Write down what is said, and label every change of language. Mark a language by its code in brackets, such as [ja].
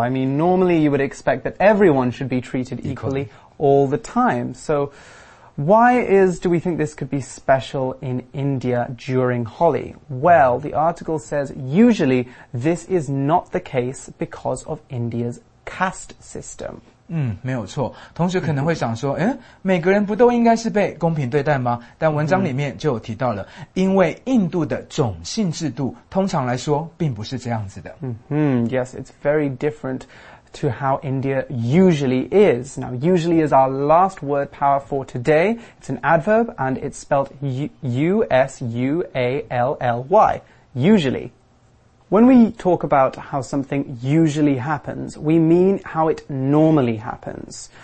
[en] I mean, normally,you would expect that everyone should be treated equally all the time. So why do we think this could be special in India during Holi? Well, the article says usually this is not the case because of India's caste system. [zh] 嗯，没有错。同学可能会想说，诶，每个人不都应该是被公平对待吗？但文章里面就有提到了，因为印度的种姓制度通常来说并不是这样子的。 [en] 嗯 ，Yes, it's very different to how India usually is. Now, usually is our last word power for today. It's an adverb and it's spelled U-S-U-A-L-L-Y. Usually. When we talk about how something usually happens, we mean how it normally happens.